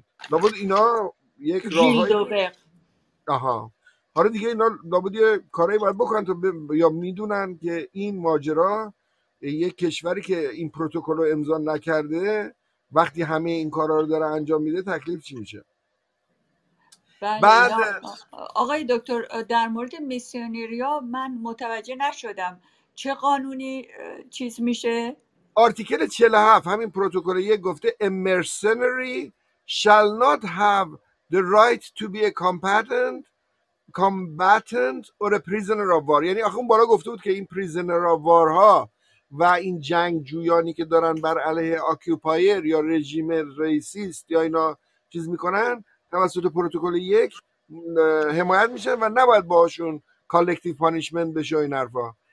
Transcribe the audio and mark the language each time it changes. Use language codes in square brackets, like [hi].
[fa] لابد اینا یک راه های آها حالا دیگه اینا لابد یه کارهایی باید بکنن تو یا میدونن که این ماجرا یک کشوری که این پروتکل رو امضا نکرده وقتی همه این کارا رو داره انجام میده تکلیف چی میشه. بعد آقای دکتر در مورد میسیونری ها من متوجه نشدم چه قانونی چیز میشه؟ آرتیکل 47 همین پروتکل یک گفته [en] A mercenary shall not have the right to be a combatant or a prisoner of war. [fa] یعنی آخه اون بالا گفته بود که این [en] prisoner of war [fa] ها و این جنگ جویانی که دارن بر علیه اکیوپایر یا رژیم ریسیست یا اینا چیز میکنن توسط پروتکل یک حمایت میشن و نباید باهاشون کالکتیو پانیشمنت بشه این حرفا.